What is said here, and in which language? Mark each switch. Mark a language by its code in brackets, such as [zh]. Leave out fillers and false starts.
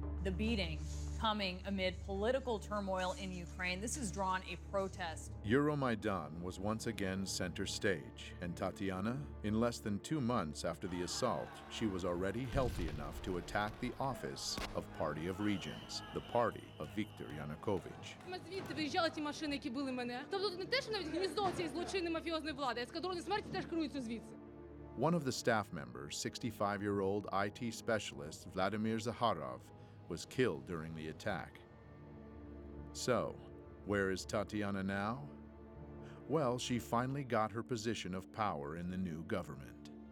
[en] The beating, coming amid political turmoil in Ukraine, this has drawn a protest. Euromaidan was once again center stage, and Tatiana, in less than 2 months after the assault, she was already healthy enough to attack the office of Party of Regions, the party of Viktor Yanukovych. [uk] Ми звідти виїжджали ті машини, які били мене. Тобто не те, що навіть гніздо цієї злочинної мафіозної влади, ескадрони смерті теж керуються звідси. [en] One of the staff members, 65-year-old IT specialist Vladimir Zaharov, was killed during the attack. So, where is Tatiana now? Well, she finally got her position of power in the new government.